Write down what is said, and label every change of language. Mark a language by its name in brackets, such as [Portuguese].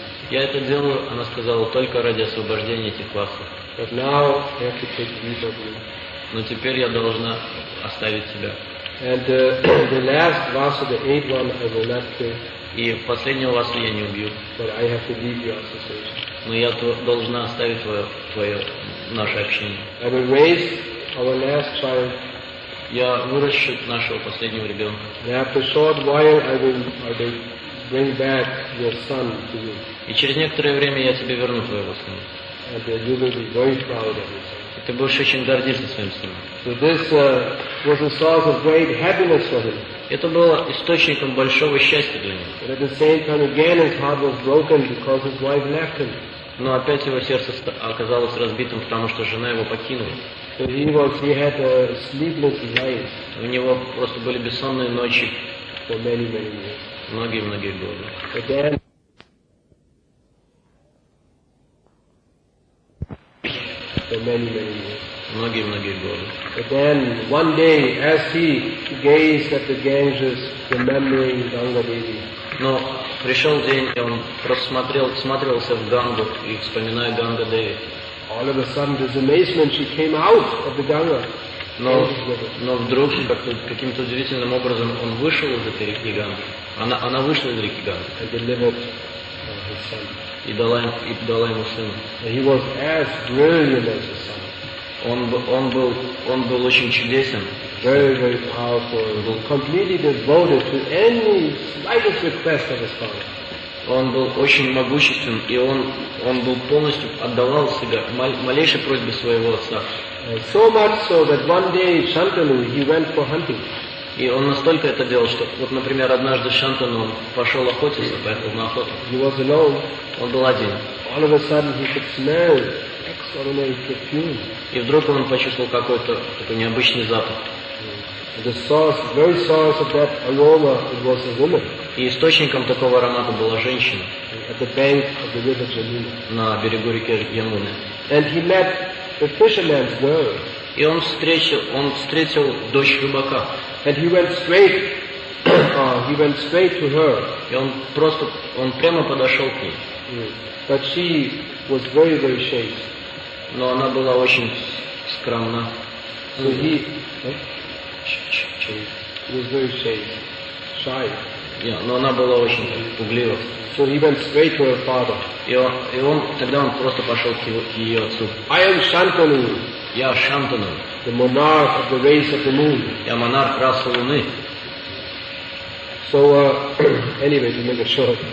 [Russian] Я это делаю, она сказала, только ради освобождения этих васов. Но теперь я должна оставить тебя. [English] The last vasa, the eighth one, I will not kill. [Russian] И последнего васу я не убью. [English] But I have to leave your association. [Russian] Но я должна оставить твое наше общение. [English] I will raise our last child. [Russian] Я выращу нашего последнего ребенка. [English] And after a short while, I will bring back your son to you. [Russian] И через некоторое время я тебе верну твоего сына. [English] And you will be very proud of your son. [Russian] Ты будешь очень гордиться своим сыном. [English] So this was a source of great happiness for him. [Russian] Это было источником большого счастья для него. [English] But at the same time, again, his heart was broken because his wife left him. [Russian] Но опять его сердце оказалось разбитым, потому что жена его покинула. [English] So he had a sleepless night. [Russian] У него просто были бессонные ночи. [English] For many, many years. [Russian] Многие-многие годы. [English] Again. For many, many years. [Russian] Многие-многие годы. [English] But then, one day, as he gazed at the Ganges, remembering Ganga Devi. [Russian] Но пришел день, и он смотрелся в Гангу и вспоминая Ганга Деви. [English] All of a sudden, this amazement, she came out of the Ganga. [Russian] Но вдруг каким-то удивительным образом он вышел из этой реки Ганги. Она вышла из реки Ганги. [English] And delivered his son. [Russian] И дала ему сына. [English] And he was as brilliant as his son. [Russian] Он был очень чудесен. [English] Very, very powerful. He was completely devoted to any slightest request of his father. [Russian] Он был очень могуществен, и он был полностью отдавал себя малейшей просьбе своего отца. [English] So much so that one day Shantanu, he went for hunting. [Russian] И он настолько это делал, что, вот, например, однажды Шантану пошел охотиться, поехал на охоту. [English] He was alone. [Russian] Он был один. [English] All of a sudden he could smell extraordinary perfume. [Russian] И вдруг он почувствовал какой-то такой необычный запах. [English] The source, very source of that aroma, it was a woman. [Russian] И источником такого аромата была женщина. [English] At the bank of the river Jamuna. [Russian] На берегу реки Ямуны. [English] And he met the fisherman's girl. [Russian] И он встретил дочь рыбака. [English] And he went straight to her. [Russian] И он прямо подошел к ней. [English] But she was very, very chaste. [Russian] Но она была очень скромна. [English] So he, she was very chaste, shy. [Russian] Yeah, но она была очень пуглива. [English] So he went straight to her father. [Russian] И он просто пошел к ее отцу. [English] I am Shantanu. [Russian] Я Шантану. [English] The monarch of the race of the moon. [Russian] Я монарх расы луны. [English] So anyway, to make it short.